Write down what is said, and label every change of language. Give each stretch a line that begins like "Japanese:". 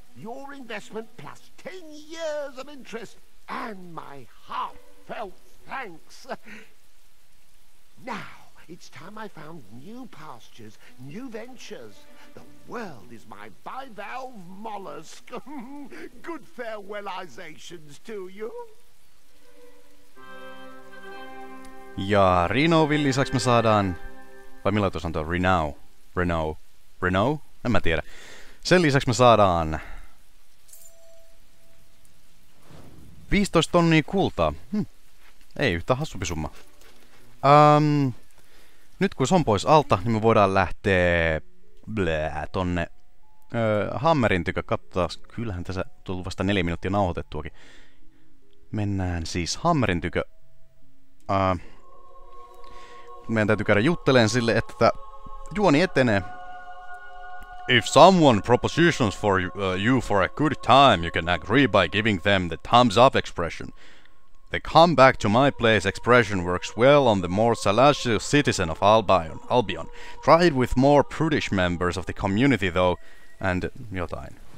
English: Your investment plus 10 years of interest and my heartfelt thanks. Now. It's time I found new pastures, new ventures. The world is my bivalve mollusk. Good farewellizations to you.
Finnish: Ja Renowin lisäksi me saadaan... Vai millä tuossa on tuo Renow? Renow? Renow? En mä tiedä. Sen lisäksi me saadaan... 15 tonnia kultaa. Ei yhtään hassumpi summa. Nyt kun se on pois alta, niin me voidaan lähteä tonne Hammerin tykö. Katsotaas, kyllähän tässä tullut vasta 4 minuuttia nauhoitettuakin. Mennään siis Hammerin tykö. Meidän täytyy käydä jutteleen sille, että juoni etenee.
English: If someone propositions for you for a good time, you can agree by giving them the thumbs up expression. The come back to my place expression works well on the more salacious citizen of Albion. Try it with more prudish members of the community though, and
Finnish: jotain.